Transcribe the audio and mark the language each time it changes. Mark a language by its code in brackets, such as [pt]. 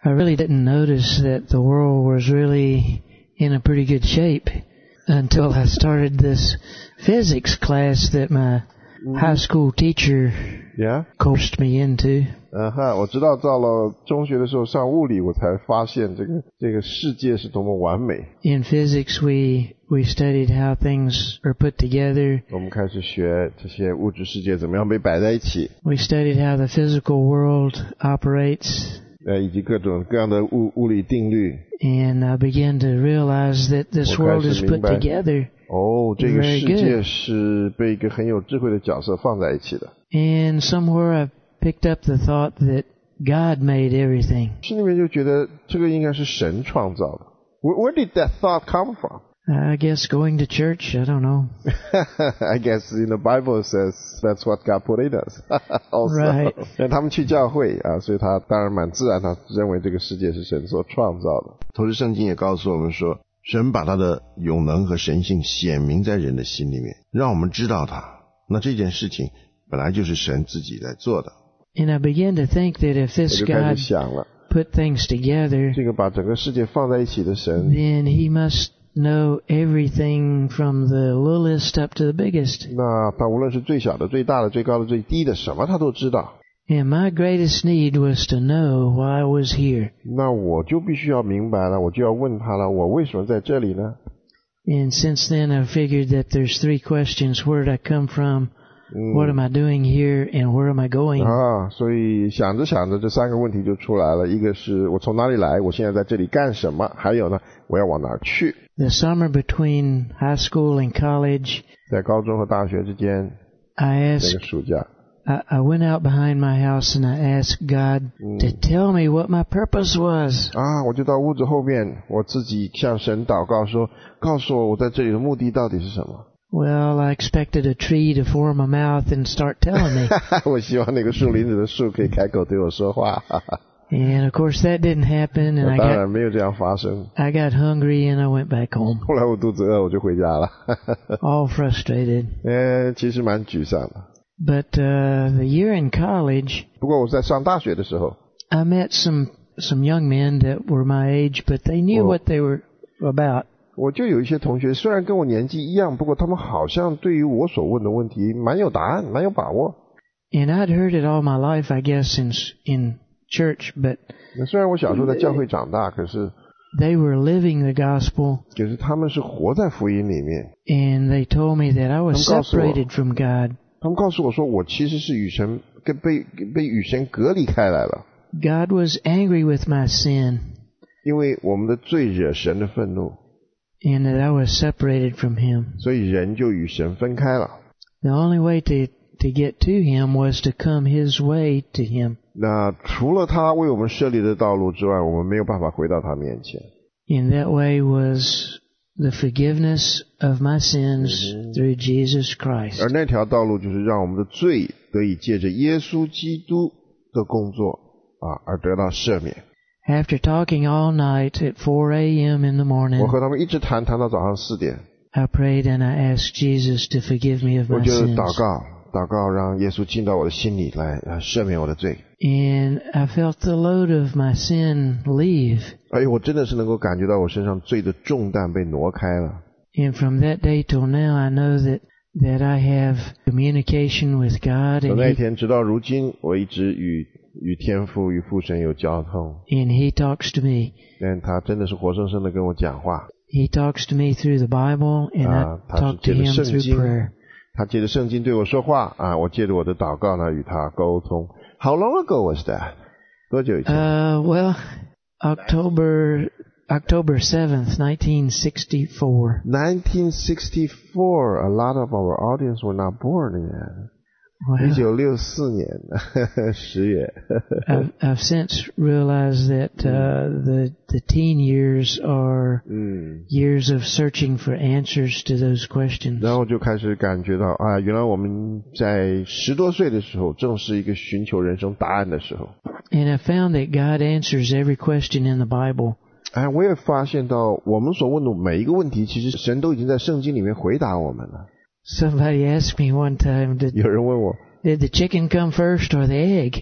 [en] I really didn't notice that the world was really in a pretty good shape. Until I started this physics class that my high school teacher coached me into. [zh] 我知道到了中学的时候上物理，我才发现这个世界是多么完美。 [en] In physics, we studied how things are put together. [zh] 我们开始学这些物质世界怎么样被摆在一起。 [en] We studied how the physical world operates. [zh] 以及各种各样的 物理定律。 [en] And I began to realize that this world is put together. [zh] 哦，这个世界是被一个很有智慧的角色放在一起的。 [en] And somewhere I picked up the thought that God made everything. [zh] 心里面就觉得这个应该是神创造的。 [en] Where did that thought come from? I guess going to church, I don't know. I guess in the Bible it says that's what God put in us. Also, right. [zh] 他们去教会啊，所以他当然蛮自然，他认为这个世界是神所创造的。同时圣经也告诉我们说，神把他的永能和神性显明在人的心里面，让我们知道他。那这件事情本来就是神自己在做的。 [en] And I began to think that if this God put things together, [zh] 这个把整个世界放在一起的神， [en] then he must know everything from the littlest up to the biggest. [zh] 那他无论是最小的、最大的、最高的、最低的，什么他都知道。 [en] And my greatest need was to know why I was here. [zh] 那我就必须要明白了，我就要问他了，我为什么在这里呢？ [en] And since then, I figured that there's three questions: where did I come from? What am I doing here? And where am I going? [zh] 啊，所以想着想着，这三个问题就出来了。一个是我从哪里来，我现在在这里干什么？还有呢，我要往哪去？ [en] The summer between high school and college, [zh] 在高中和大学之间 [en] I asked, [zh] 那个暑假 [en] I went out behind my house and I asked God to tell me what my purpose was. [zh] 啊，我就到屋子后面，我自己向神祷告说，告诉我我在这里的目的到底是什么。 [en] Well, I expected a tree to form a mouth and start telling me. [zh] 我希望那个树林子的树可以开口对我说话。 [en] And of course that didn't happen, and [zh] 当然没有这样发生。 [en] I got hungry and I went back home. [zh] 后来我肚子饿，我就回家了。 [en] All frustrated. [zh] 其实蛮沮丧的。 [en] But the year in college, [zh] 不过我在上大学的时候 [en] I met some young men that were my age, but they knew what they were about. [zh] 我就有一些同学虽然跟我年纪一样，不过他们好像对于我所问的问题蛮有答案，蛮有把握。 [en] And I'd heard it all my life, I guess, in church, but [zh] 虽然我小时候在教会长大，可是 [en] they were living the gospel. [zh] 就是他们是活在福音里面。 [en] And they told me that I was separated from God. [zh] 他们告诉我说，我其实是与神被与神隔离开来了。 [en] God was angry with my sin. [zh] 因为我们的罪惹神的愤怒。 [en] And that I was separated from Him. [zh] 所以人就与神分开了。 [en] The only way to get to Him was to come His way to Him. [zh] 那除了他为我们设立的道路之外，我们没有办法回到他面前。 [en] And that way was the forgiveness of my sins through Jesus Christ. [zh] 而那条道路就是让我们的罪得以借着耶稣基督的工作啊而得到赦免。 [en] After talking all night at 4 a.m. in the morning, [zh] 我和他们一直谈到早上四点。 [en] I prayed and I asked Jesus to forgive me of my sins. [zh] 我就祷告。祷告让耶稣进到我的心里来赦免我的罪。 [en] And I felt the load of my sin leave. [zh] 哎呦，我真的是能够感觉到我身上罪的重担被挪开了。 [en] And from that day till now, I know that I have communication with God. [zh] 从那天直到如今，我一直与天父、与父神有交通。 [en] And He talks to me. [zh] 但他真的是活生生的跟我讲话。 [en] He talks to me through the Bible, and I talk to Him through prayer. [zh] 他借着圣经对我说话啊，我借着我的祷告呢与他沟通。 [en] How long ago was that? [zh] 多久以前？ [en] Well, October 7th, 1964. A lot of our audience were not born yet. Well, [zh] 1964年十月。 [en] I've since realized that the teen years are years of searching for answers to those questions. [zh] 然后就开始感觉到啊，原来我们在十多岁的时候，正是一个寻求人生答案的时候。 [en] And I found that God answers every question in the Bible. [zh] 哎，我也发现到我们所问的每一个问题，其实神都已经在圣经里面回答我们了。 [en] Somebody asked me one time, did the chicken come first or the egg?